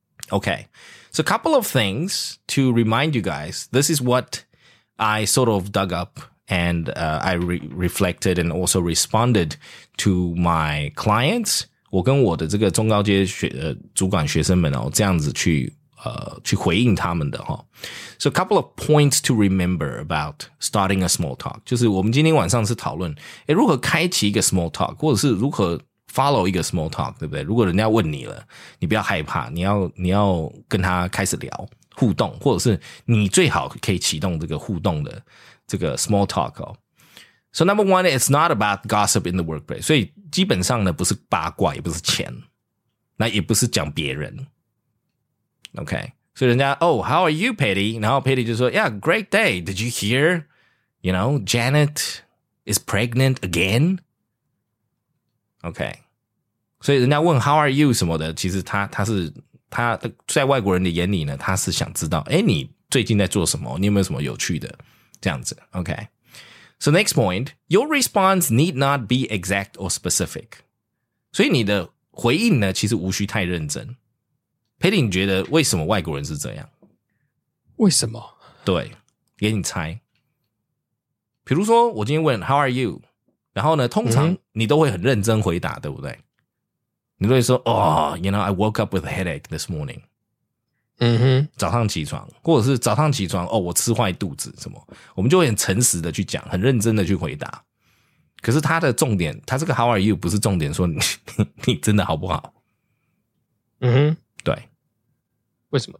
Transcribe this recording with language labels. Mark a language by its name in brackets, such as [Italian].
[English] OK, so a couple of things to remind you guys, this is what I sort of dug up and I reflected and also responded to my clients. [Chinese] 我跟我的这个中高阶主管学生们哦，这样子去回应他们的齁。 [English] So a couple of points to remember about starting a small talk. [Chinese] 就是我们今天晚上是讨论如何开启一个 small talk, 或者是如何 follow 一个 small talk, 对不对？如果人家问你了，你不要害怕，你要跟他开始聊互动，或者是你最好可以启动这个互动的这个 small talk 齁。 [English] So number one, it's not about gossip in the workplace. [Chinese] 所以基本上呢不是八卦，也不是钱，那也不是讲别人。 [English] Okay, so [Chinese] 人家 [English] oh, how are you, Patty? [Chinese] 然后 [English] Patty [Chinese] 就说 [English] yeah, great day. Did you hear, you know, Janet is pregnant again? [Chinese] Okay, 所以人家问 [English] how are you [Chinese] 什么的，其实他在外国人的眼里呢，他是想知道你最近在做什么，你有没有什么有趣的这样子。 [English] Okay, so next point, your response need not be exact or specific. [Chinese] 所以你的回应呢，其实无需太认真。 Patty, 你觉得为什么外国人是这样？为什么？对，给你猜。比如说我今天问 [English] How are you? [Chinese] 然后呢，通常你都会很认真回答，对不对？你都会说 [English] Oh, you know, I woke up with a headache this morning. 嗯哼， [Chinese] 早上起床，或者是早上起床，哦，我吃坏肚子什么，我们就会很诚实的去讲，很认真的去回答。可是他的重点，他这个 [English] How are you [Chinese] 不是重点说你真的好不好。嗯哼，对，为什么？